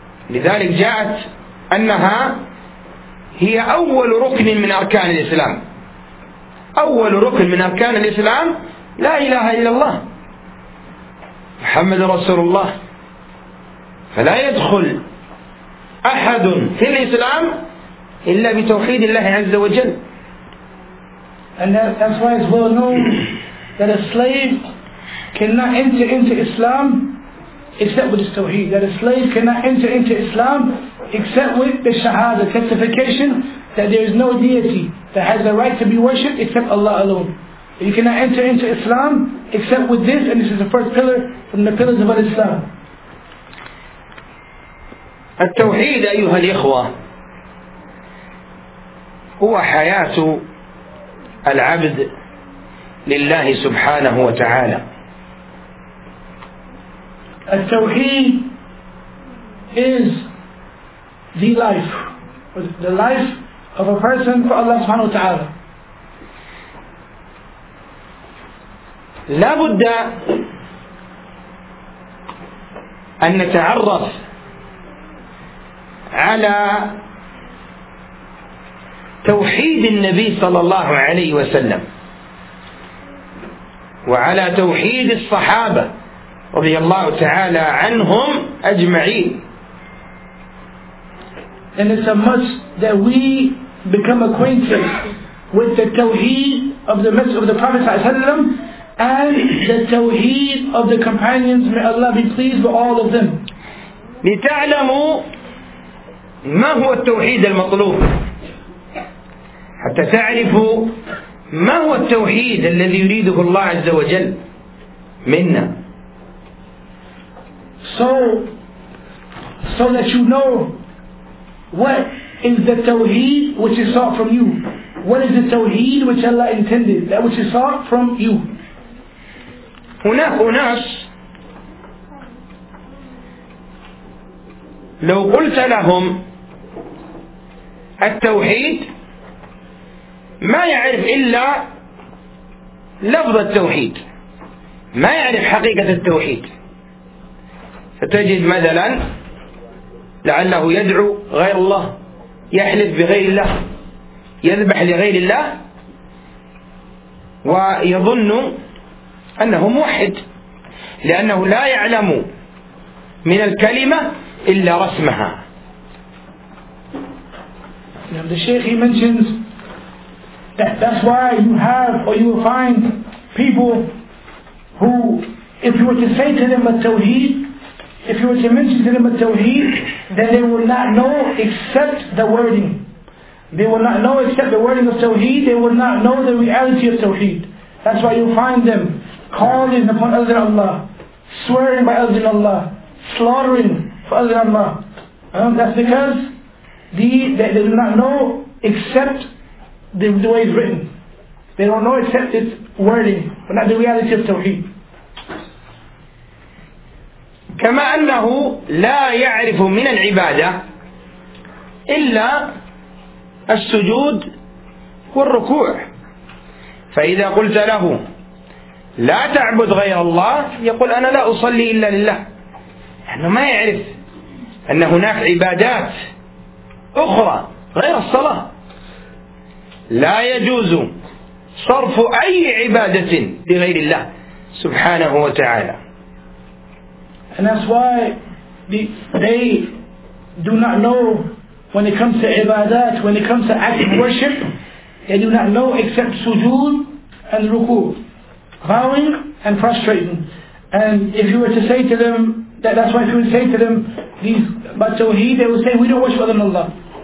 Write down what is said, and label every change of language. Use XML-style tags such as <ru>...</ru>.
<ar>لذلك جاءت أنها هي أول ركن من أركان الإسلام. أول ركن من أركان الإسلام لا إله إلا الله محمد رسول الله. فلا يدخل أحد في الإسلام إلا بتوحيد الله عز وجل.</ar> <en>And that's why it's well known that a slave cannot enter into Islam except with the Tawheed. That a slave cannot enter into Islam except with the Shahada, the testification that there is no deity that has the right to be worshipped except Allah alone. You cannot enter into Islam except with this, and this is the first pillar from the pillars of Islam.</en> <ar>التوحيد أيها الإخوة هو حياة العبد لله سبحانه وتعالى.</ar> <en>التوحيد is the life of a person for Allah سبحانه وتعالى.</en> <ar>لا بد أن نتعرف على توحيد النبي صلى الله عليه وسلم وعلى توحيد الصحابة رضي الله تعالى عنهم أجمعين.</ar> <en>And it's a must that we become acquainted with the tawheed of the message of the Prophet صلى الله عليه وسلم and the tawheed of the companions. May Allah be pleased with all of them.</en> <ar>لتعلموا ما هو التوحيد المطلوب حتى تعرفوا ما هو التوحيد الذي يريده الله عز وجل منا.</ar> <en>So that you know what is the tawheed which is sought from you. What is the tawheed which Allah intended, that which is sought from you.</en> <ar>هناك ناس لو قلت لهم التوحيد ما يعرف إلا لفظ التوحيد، ما يعرف حقيقة التوحيد، فتجد مثلا لعله يدعو غير الله، يحلف بغير الله، يذبح لغير الله، ويظن أنه موحد لأنه لا يعلم من الكلمة إلا رسمها.</ar> <en>Now the Shaykh, he mentions that that's why you have or you will find people who, if you were to say to them a tawheed, if you were to mention to them a tawheed, then they will not know except the wording. They will not know except the wording of tawheed, they will not know the reality of tawheed. That's why you find them calling upon other Allah, swearing by other Allah, slaughtering for other Allah. That's because they do not know except the way it's written. They don't know except its wording, but not the reality of Tawheed.</en> <ar>كما أنه لا يعرف من العبادة إلا السجود والركوع. فإذا قلت له لا تعبد غير الله يقول أنا لا أصلي إلا لله، لأنه ما يعرف أن هناك عبادات أخرى غير الصلاة. لا يجوز صرف أي عبادة لغير الله سبحانه وتعالى.</ar> <en>And that's why they do not know when it comes to ibadat, when it comes to act of worship, they do not know except sujood and ruku, bowing and prostrating. And if you were to say to them that's why if you would say to them these about tawheed, they would say we don't worship other than Allah.</en>